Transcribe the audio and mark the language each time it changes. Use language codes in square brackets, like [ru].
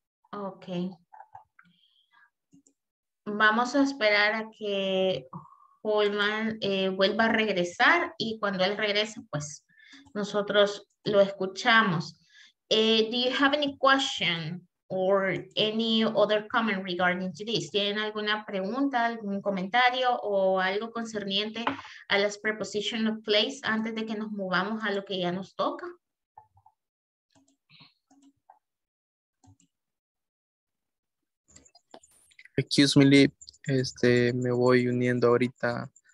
[en] Okay. [es] Vamos a esperar a que Holman vuelva a regresar y cuando él regrese, pues nosotros lo escuchamos. [en] Do you have any question or any other comment regarding to this? [es] ¿Tienen alguna pregunta, algún comentario o algo concerniente a las preposition of place antes de que nos movamos a lo que ya nos toca? [en] Excuse me, [es] Lee. Me voy uniendo ahorita.